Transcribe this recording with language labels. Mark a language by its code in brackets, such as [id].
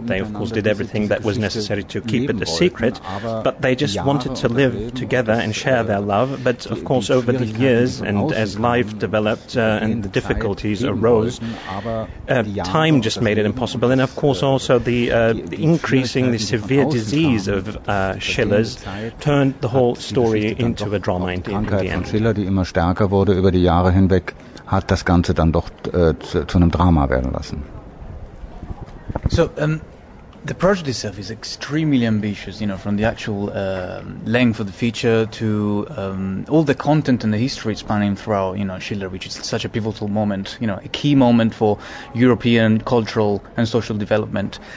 [en] They, of course, did everything that was necessary to keep it a secret, but they just wanted to live together and share their love, but of course over the years and as life developed and the difficulties arose, time just made it impossible, and of course also the increasing, the severe disease of Schiller's turned the whole story into a drama in the end. [de] Schiller, die immer stärker wurde über die Jahre hinweg, hat das Ganze dann doch zu einem Drama werden lassen. [en] So, the project itself is extremely ambitious, you know, from the actual length of the feature to all the content and the history spanning throughout, you know, Schiller, which is such a pivotal moment, you know, a key moment for European cultural and social development.